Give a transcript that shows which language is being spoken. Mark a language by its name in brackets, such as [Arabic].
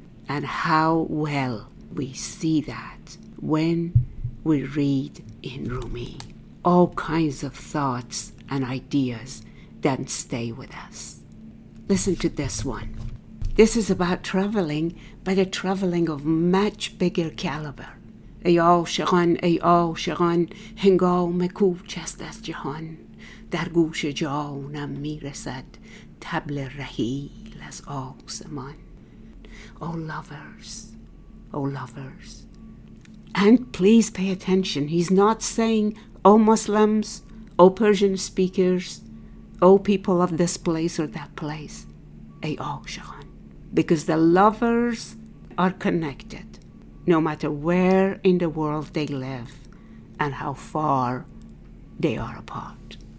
[English] And how well we see that when we read in Rumi. All kinds of thoughts and ideas that stay with us. Listen to this one. This is about traveling, but a traveling of much bigger caliber. [Persian] Ey عاشقان, ey عاشقان, هنگام کوچ است از جهان, در گوش جانم می رسد طبل رحیل از آسمان. [English] O lovers, And please pay attention. He's not saying, oh Muslims, oh Persian speakers, oh people of this place or that place. [Persian] Ay Akshan. [English] Because the lovers are connected, no matter where in the world they live and how far they are apart.